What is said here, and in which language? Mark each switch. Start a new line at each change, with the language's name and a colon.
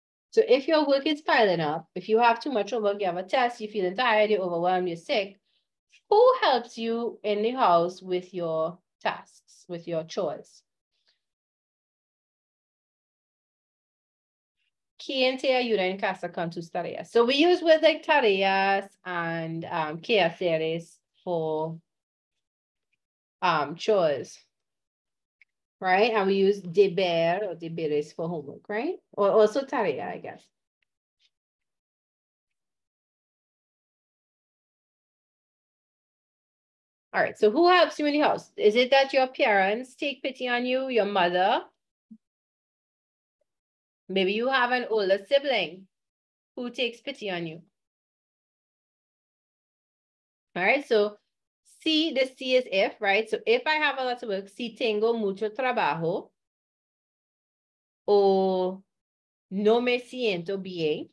English: So if your work is piling up, if you have too much homework, you have a test, you're feeling tired, you're overwhelmed, you're sick, who helps you in the house with your tasks, with your chores?
Spanish: ¿Quién te ayuda en casa con tus tareas?
English: So we use words like tareas and quehaceres for chores. Right, and we use deber or deberes for homework, right? Or also tarea, I guess. All right, so who helps you in the house? Is it that your parents take pity on you, your mother? Maybe you have an older sibling who takes pity on you. All right, so C, the C is if, right? So if I have a lot of work,
Spanish: si tengo mucho trabajo, o no me siento bien.